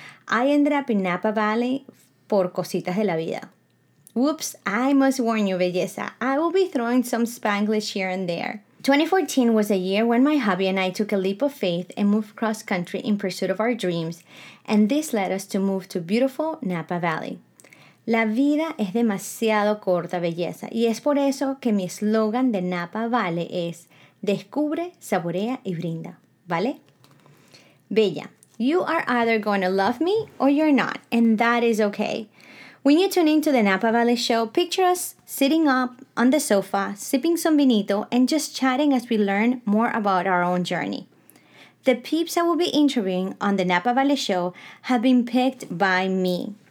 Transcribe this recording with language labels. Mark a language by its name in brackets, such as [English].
[English] I ended up in Napa Valley [Spanish] por cositas de la vida. [English] Whoops, I must warn you, belleza, I will be throwing some Spanglish here and there. 2014 was a year when my hubby and I took a leap of faith and moved cross-country in pursuit of our dreams, and this led us to move to beautiful Napa Valley. [Spanish] La vida es demasiado corta, belleza, y es por eso que mi eslogan de Napa Valley es Descubre, saborea y brinda, ¿vale? [English] Bella, you are either going to love me or you're not, and that is okay. When you tune into the Napa Valley Show, picture us sitting up on the sofa, sipping some vinito, and just chatting as we learn more about our own journey. The peeps I will be interviewing on the Napa Valley Show have been picked by me.